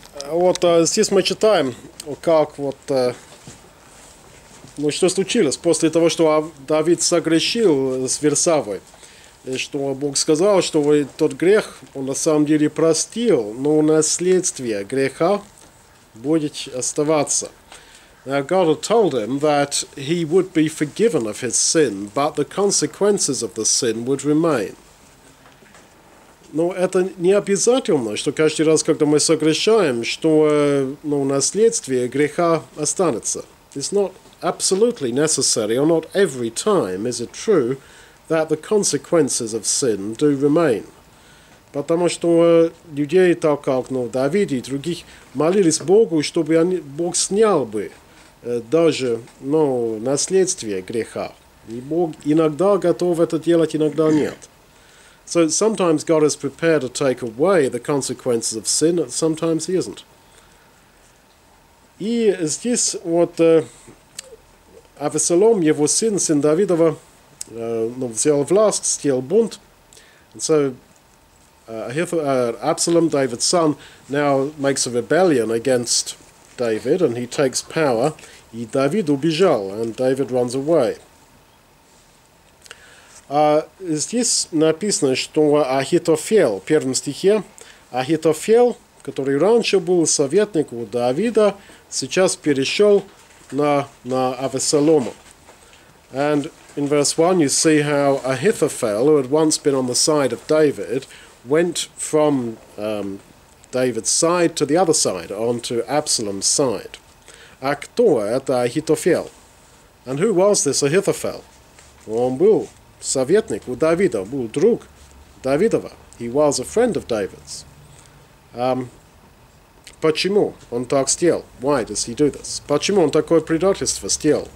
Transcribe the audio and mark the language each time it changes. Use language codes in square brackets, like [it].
[ru] Вот здесь мы читаем, как вот, ну, что случилось после того, что Давид согрешил с Версавой. И что Бог сказал, что тот грех, он на самом деле простил, но наследствие греха будет оставаться. [en] Now God had told him that he would be forgiven of his sin, but the consequences of the sin would remain. [ru] Но это не обязательно, что каждый раз, когда мы согрешаем, что ну, наследствие греха останется. [en] It's not absolutely necessary, or not every time, is it true, that the consequences of sin do remain. [ru] Потому что людей, так как ну, Давид и других, молились Богу, чтобы они, Бог снял бы даже ну, наследствие греха. И Бог иногда готов это делать, иногда нет. [en] So sometimes God is prepared to take away the consequences of sin, and sometimes he isn't. [ru] И здесь вот Авессалом, его сын, сын Давидова, ну, взял власть, стел бунт. [en] And so Absalom, David's son, now makes a rebellion against David, and he takes power. [ru] И Давид убежал, [en] and David runs away. [ru] Здесь написано, что Ахитофел, в первом стихе, Ахитофел, который раньше был советник у Давида, сейчас перешел на Авессалома. [en] And in verse 1 you see how Ahithophel, who had once been on the side of David, went from David's side to the other side, onto Absalom's side. [ru] А кто это Ахитофел? [en] And who was this Ahithophel? [ru] Он был советник у Давида, был друг Давидова. [en] He was a friend of David's. [ru] Почему он так сделал? [en] Why does he do this? [ru] Почему он такое предательство сделал?